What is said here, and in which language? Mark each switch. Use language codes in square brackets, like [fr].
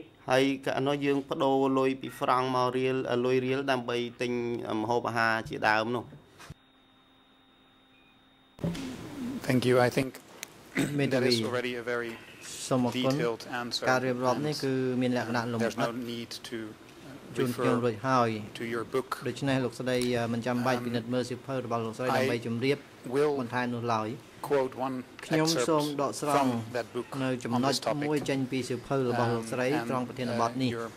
[km] ហើយកាលនោះយើងបដូរលុយពីហ្វ្រង់មករៀលលុយរៀលដើម្បីទិញម្ហូបអាហារជាដើមនោះ [en] Thank you I think that is already a very detailed answer [km] ការរៀបរាប់នេះគឺមានលក្ខណៈលម្អិតជូនខ្ញុំរួចហើយដូច្នេះលោកស្រីមិនចាំបាច់ពិនិត្យមើលសៀវភៅរបស់លោកស្រីដើម្បីជម្រាបមិនថានោះឡើយខ្ញុំសូមដកស្រង់នៅចំណុចមួយចេញពីសៀវភៅរបស់លោកស្រីត្រង់ប្រធានបទនេះ